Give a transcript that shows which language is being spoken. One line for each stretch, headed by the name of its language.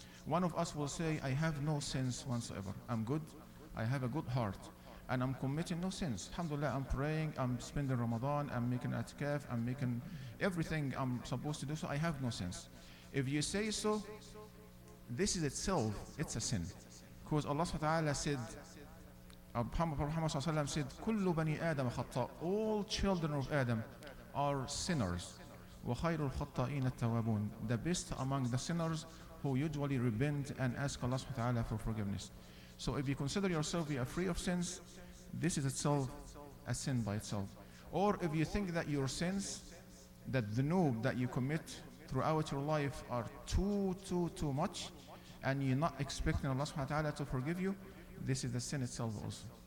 English: One of us will say, I have no sins whatsoever. I'm good, I have a good heart, and I'm committing no sins. Alhamdulillah, I'm praying, I'm spending Ramadan, I'm making atikaf, I'm making everything I'm supposed to do, so I have no sins. If you say so, this is itself, it's a sin. Because Allah subhanahu wa ta'ala said,
Arabic: Muhammad صلى الله عليه وسلم said, كل بني آدم خطاء.
English: All children of Adam are sinners.
Arabic: وخير الخطائين التوابون.
English: The best among the sinners who usually repent and ask Allah subhanahu wa ta'ala for forgiveness. So if you consider yourself you are free of sins, this is itself a sin by itself. Or if you think that your sins, that the dhunub that you commit throughout your life are too much, and you're not expecting Allah subhanahu wa ta'ala to forgive you, this is the sin itself also.